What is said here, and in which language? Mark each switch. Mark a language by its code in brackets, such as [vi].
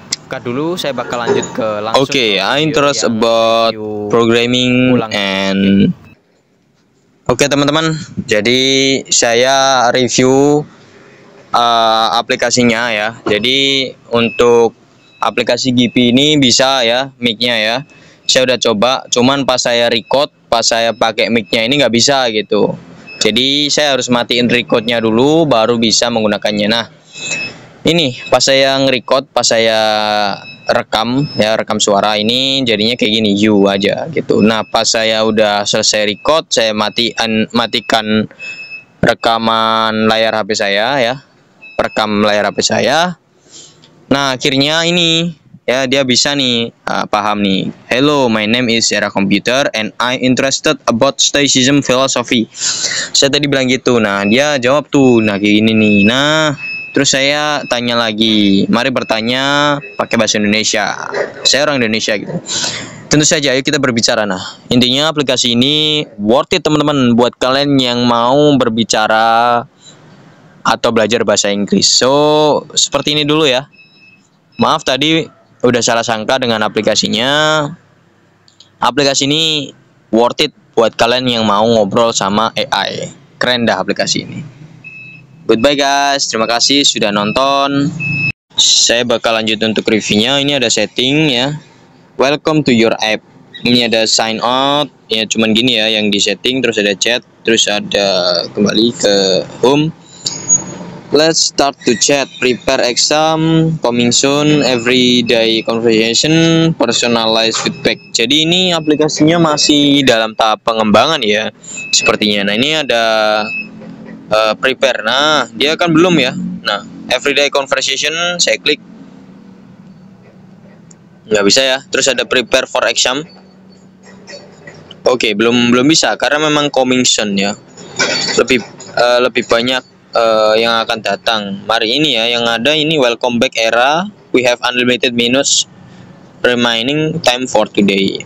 [id] Apakah dulu saya bakal lanjut ke langsung. [en] Oke, okay, I interest about programming and [id] Oke, teman-teman. Jadi saya review aplikasinya ya. Jadi untuk aplikasi GP ini bisa ya mic-nya ya. Saya udah coba, cuman pas saya record, pas saya pakai mic-nya ini enggak bisa gitu. Jadi saya harus matiin record-nya dulu baru bisa menggunakannya. Nah, ini pas saya ngerecord, pas saya rekam ya, rekam suara ini jadinya kayak gini, you aja gitu. Nah, pas saya udah selesai record, saya matikan rekaman layar HP saya ya. Rekam layar HP saya. Nah, akhirnya ini ya, dia bisa nih paham nih. [en] Hello, my name is Era Computer and I interested about stoicism philosophy. [id] Saya tadi bilang gitu. Nah, dia jawab tuh, nah kayak gini nih. Nah, terus saya tanya lagi, mari bertanya pakai bahasa Indonesia. Saya orang Indonesia gitu. Tentu saja, ayo kita berbicara. Nah, intinya aplikasi ini worth it, teman-teman, buat kalian yang mau berbicara atau belajar bahasa Inggris. So, seperti ini dulu ya. Maaf tadi udah salah sangka dengan aplikasinya. Aplikasi ini worth it buat kalian yang mau ngobrol sama AI. Keren dah aplikasi ini. [en] Goodbye guys, [id] terima kasih sudah nonton. Saya bakal lanjut untuk reviewnya. Ini ada setting ya. [en] Welcome to your app. [id] Ini ada sign out. Ya cuman gini ya yang di setting, terus ada chat, terus ada kembali ke home. [en] Let's start to chat. Prepare exam coming soon. Everyday conversation, personalized feedback. [id] Jadi ini aplikasinya masih dalam tahap pengembangan ya. Sepertinya. Nah, ini ada prepare. Nah, dia kan belum ya. Nah, everyday conversation saya klik. Enggak bisa ya. Terus ada prepare for exam. Oke, okay, belum bisa karena memang coming soon ya. Lebih banyak yang akan datang. Mari ini ya, yang ada ini welcome back era. [en] We have unlimited minutes remaining time for today.